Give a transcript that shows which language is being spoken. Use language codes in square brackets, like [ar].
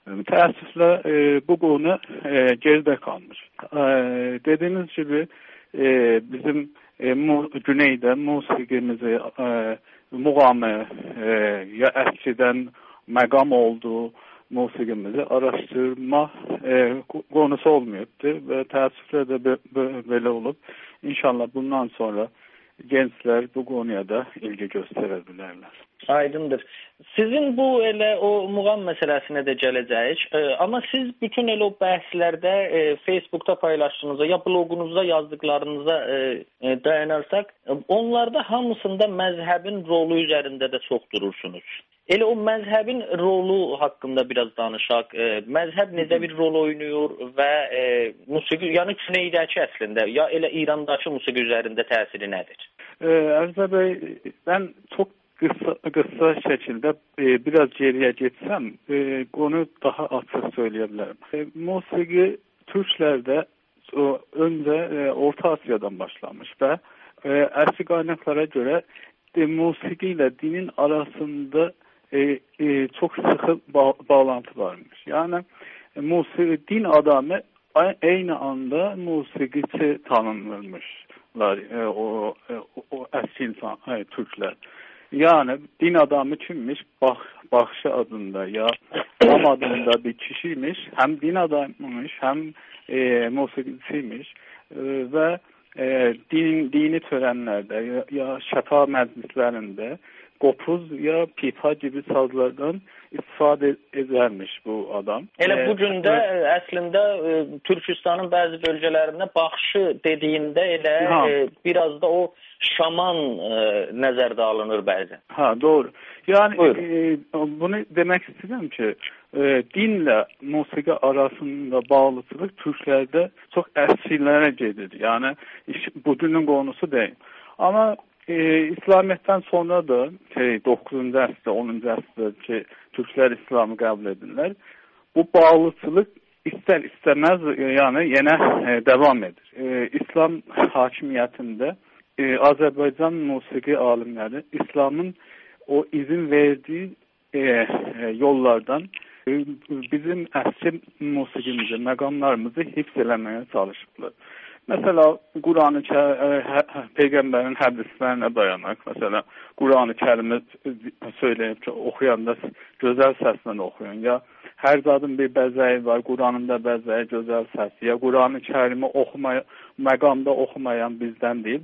[az] Təəssüflə bu qonu geridə qalmış. Dediyiniz kimi bizim Güneydə musiqimizi muğamı ya əskidən məqam olduğu [tr] musikimizi araştırma konusu olmuyordu. Ve teessüfle de böyle olup inşallah bundan sonra gençler bu konuya da ilgi gösterebilirler. [az] Aydındır. [tr] Sizin bu ele o muğam meselesine de geleceğiz. Ama siz bütün ele o bahslerde Facebook'ta paylaştığınızda ya blogunuzda yazdıklarınıza dayanarsak onlarda hamısında mezhebin rolü üzerinde de çok durursunuz. [az] Ele o mezhebin rolü hakkında biraz danışaq. Mezheb necə bir rol oynuyor və musiqi, yani Cüneydəki əslində, ya elə İrandakı musiqi üzərində təsiri nədir? Ərza bəy, mən çox qısa şəkildə biraz geriyə getsəm, onu daha açıq söyləyə bilərəm. Musiqi türklərdə öncə Orta Asiyadan başlamış və əski qaynaqlara görə musiqi ilə dinin arasında çok sıkı bağlantı varmış. [tr] Yani din adamı aynı anda musikiçi tanınırmışlar o eski insan Türkler. Yani din adamı kimmiş? Bahşi adında ya Am adında bir kişiymiş. Hem din adamıymış hem musikiçiymiş ve dini törenlerde ya şefa meclislerinde qopuz ya pipa gibi sazlardan istifadə edermiş bu adam. [az] Elə bu gündə əslində Türkistanın bəzi bölgələrində baxışı dediyində elə biraz da o şaman nəzərdə alınır bəzi. Ha, doğru. Yani bunu demək istəyirəm ki, dinlə musiqi arasında bağlılıq Türklərdə çox əsrlərə gedir. Yani bu dünün qonusu deyil. Amma İslamiyyətdən sonra da 9-cu əsrdə, 10-cu əsrdə ki, Türklər İslamı qəbul edirlər. Bu bağlıçılıq istər istəməz, yəni yenə davam edir. İslam hakimiyyətində Azərbaycan musiqi alimləri İslamın o izin verdiyi yollardan bizim əsli musiqimizi, məqamlarımızı hifz eləməyə çalışıblar. [tr] Mesela Kur'an-ı Peygamber'in hadislerine dayanak, mesela Kur'an-ı Kerim'i söyleyip okuyan da güzel sesle okuyun. [az] Ya her zadın bir bezeyi var, Kur'an'ın da bezeyi güzel sesi. [tr] Ya Kur'an-ı Kerim'i məqamda okumayan bizden değil.